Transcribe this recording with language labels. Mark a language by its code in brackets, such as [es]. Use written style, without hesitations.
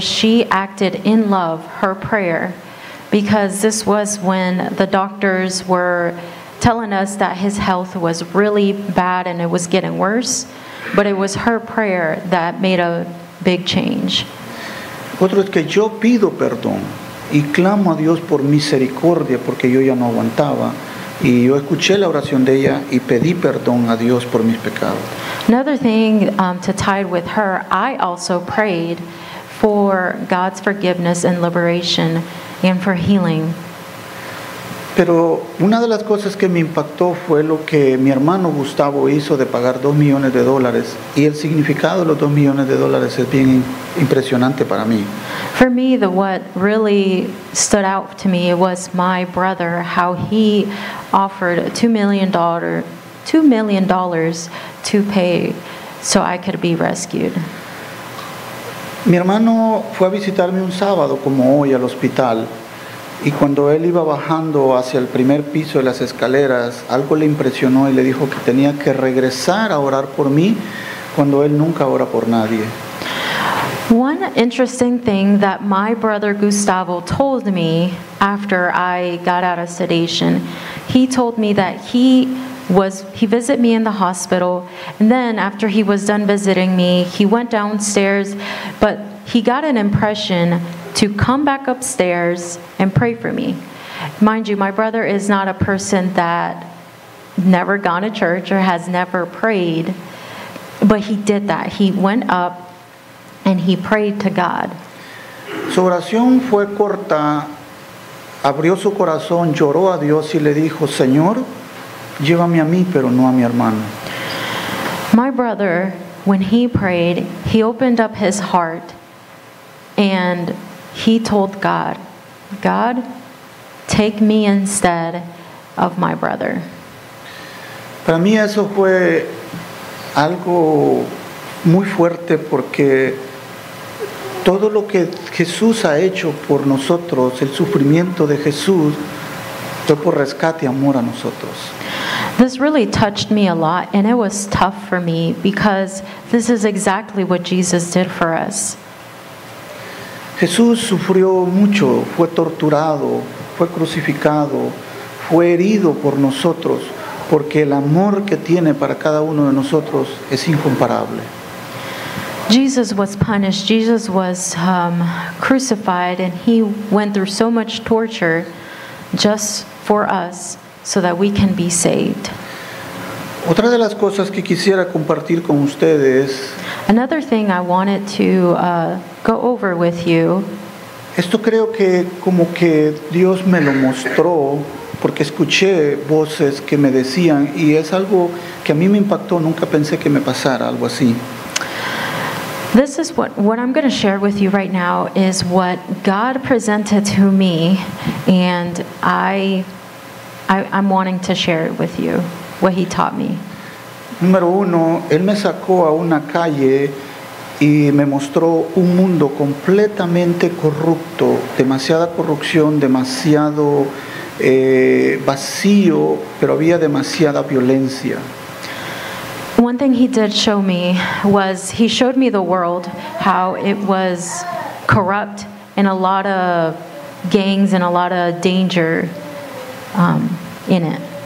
[en] She acted in love, her prayer, because this was when the doctors were telling us that his health was really bad and it was getting worse, but it was her prayer that made a big change. [es] Otro es que yo pido perdón y clamo a Dios por misericordia porque yo ya no aguantaba, y yo escuché la oración de ella y pedí perdón a Dios por mis pecados. [en] Another thing to tie it with her, I also prayed for God's forgiveness and liberation and for healing. [es] Pero una de las cosas que me impactó fue lo que mi hermano Gustavo hizo de pagar $2,000,000, y el significado de los $2,000,000 es bien impresionante para mí. [en] For me, what really stood out to me was my brother, how he offered $2,000,000 to pay so I could be rescued. [es] Mi hermano fue a visitarme un sábado como hoy al hospital. Y cuando él iba bajando hacia el primer piso de las escaleras, algo le impresionó y le dijo que tenía que regresar a orar por mí cuando él nunca ora por nadie. [en] One interesting thing that my brother Gustavo told me after I got out of sedation, he told me that he visited me in the hospital, and then after he was done visiting me, he went downstairs, but he got an impression to come back upstairs and pray for me. Mind you, my brother is not a person that never gone to church or has never prayed, but he did that. He went up and he prayed to God. [es] Su oración fue corta. Abrió su corazón, lloró a Dios y le dijo, Señor, llévame a mí, pero no a mi hermano. [en] My brother, when he prayed, he opened up his heart and he told God, God, take me instead of my brother. [es] Para mí eso fue algo muy fuerte porque todo lo que Jesús ha hecho por nosotros, el sufrimiento de Jesús, fue por rescate y amor a nosotros. [en] This really touched me a lot, and it was tough for me because this is exactly what Jesus did for us. [es] Jesús sufrió mucho, fue torturado, fue crucificado, fue herido por nosotros, porque el amor que tiene para cada uno de nosotros es incomparable. [en] Jesus was punished, Jesus was crucified, and he went through so much torture just for us so that we can be saved. [es] Otra de las cosas que quisiera compartir con ustedes, [en] another thing I wanted to go over with you, [es] esto creo que como que Dios me lo mostró porque escuché voces que me decían y es algo que a mí me impactó, nunca pensé que me pasara algo así. [en] This is what I'm going to share with you right now is what God presented to me, and I'm wanting to share it with you, what he taught me. [es] Número uno, él me sacó a una calle y me mostró un mundo completamente corrupto, demasiada corrupción, demasiado vacío, pero había demasiada violencia. [en] One thing he did show me was he showed me the world, how it was corrupt and a lot of gangs and a lot of danger in it.